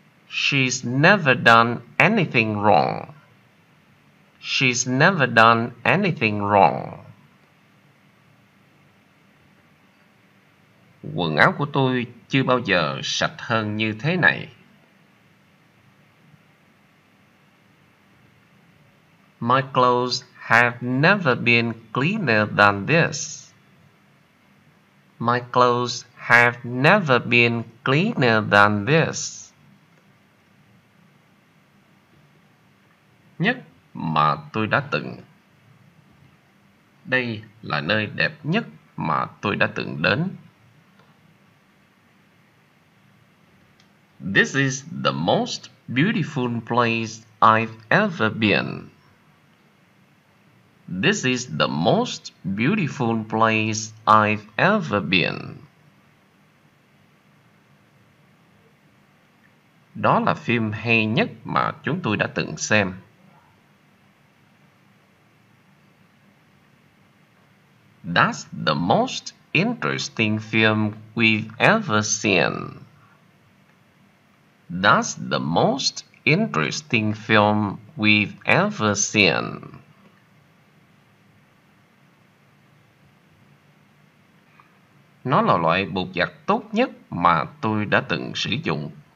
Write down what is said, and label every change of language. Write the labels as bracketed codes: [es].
[en] She's never done anything wrong. She's never done anything wrong. [vi] Quần áo của tôi chưa bao giờ sạch hơn như thế này. [en] My clothes have never been cleaner than this. My clothes have never been cleaner than this. [vi] Nhất mà tôi đã từng. Đây là nơi đẹp nhất mà tôi đã từng đến. [en] This is the most beautiful place I've ever been. This is the most beautiful place I've ever been. [vi] Đó là phim hay nhất mà chúng tôi đã từng xem. [en] That's the most interesting film we've ever seen. That's the most interesting film we've ever seen. [vi] Nó là loại bột giặt tốt nhất mà tôi đã từng sử dụng.